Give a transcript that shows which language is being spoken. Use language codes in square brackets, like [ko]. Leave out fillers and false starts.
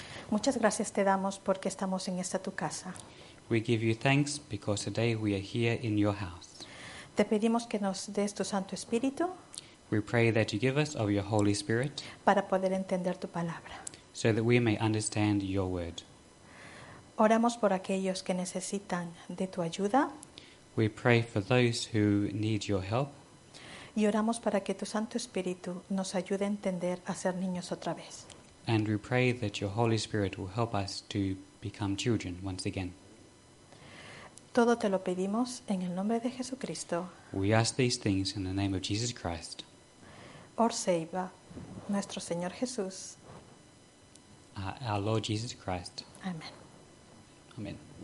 [es] muchas gracias te damos porque estamos en esta tu casa. [en] We give you thanks because today we are here in your house. [es] Te pedimos que nos des tu Santo Espíritu. [en] We pray that you give us of your Holy Spirit [es] para poder entender tu palabra. [en] So that we may understand your word. [es] Oramos por aquellos que necesitan de tu ayuda. [en] We pray for those who need your help. [es] Y oramos para que tu Santo Espíritu nos ayude a entender a ser niños otra vez. [en] And we pray that your Holy Spirit will help us to become children once again. [es] Todo te lo pedimos en el nombre de Jesucristo. [en] We ask these things in the name of Jesus Christ. [es] Or Seiba, nuestro Señor Jesús. [en] Our Lord Jesus Christ. Amen. Amen.